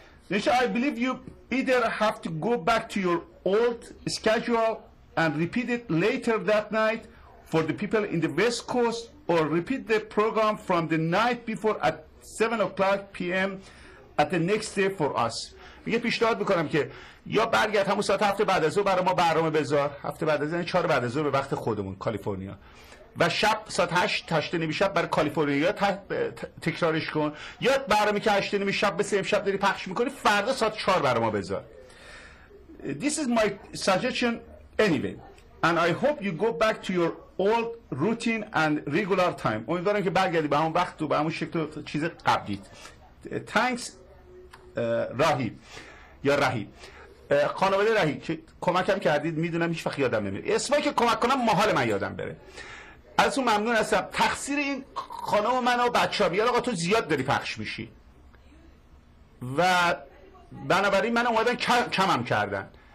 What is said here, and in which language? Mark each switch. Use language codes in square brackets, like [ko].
[en] نشه I believe you either have to go back to your old schedule and repeat it later that night for the people in the west coast or repeat the program from the night before at 7 o'clock p.m. at the next day for us. [fa] میگه پیشنهاد بکنم که یا برگرد همون ساعت هفته بعد از ظهر برای ما برنامه بذار، هفته بعد از ظهر 4 بعد از ظهر به وقت خودمون کالیفرنیا، و شب ساعت 8 تشته نیمه شب برای کالیفرنیا تکرارش کن، یا برنامه که 8 نیمه شب به 3 شب داری پخش میکنی فردا ساعت 4 برای ما بذار. [en] This is my suggestion anyway and I hope you go back to your old routine and regular time. [fa] امیدوارم که برگردی به همون وقت و به همون شکل چیز قبلیت. Thanks رهی، خانواده رهی که کمکم کردید، میدونم هیچ وقت یادم نمیره اسمایی که کمک کنم محال من یادم بره، از اون ممنون هستم. تقصیر این خانم من و بچه ها میاد، آقا تو زیاد داری پخش میشی و بنابراین من اومدن کمم کردن،